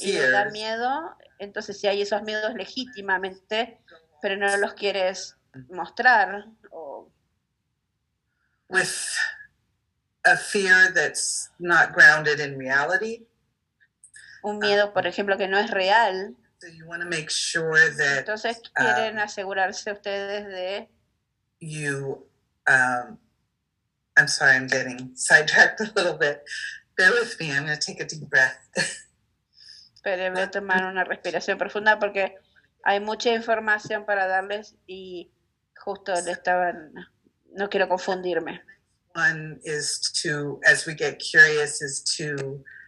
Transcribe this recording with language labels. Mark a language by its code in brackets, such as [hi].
[es] y le da miedo, entonces si hay esos miedos legítimamente, pero no los quieres mostrar, o [en] with a fear that's not grounded in reality, [es] un miedo, por ejemplo, que no es real, [en] so you want to make sure that, [es] entonces quieren asegurarse ustedes de [en] you, I'm sorry, I'm getting sidetracked a little bit. Bear with me, I'm going to take a deep breath. [es] Pero voy a tomar una respiración profunda porque hay mucha información para darles y justo le estaban, no quiero confundirme. [en] One is to, as we get curious, is to,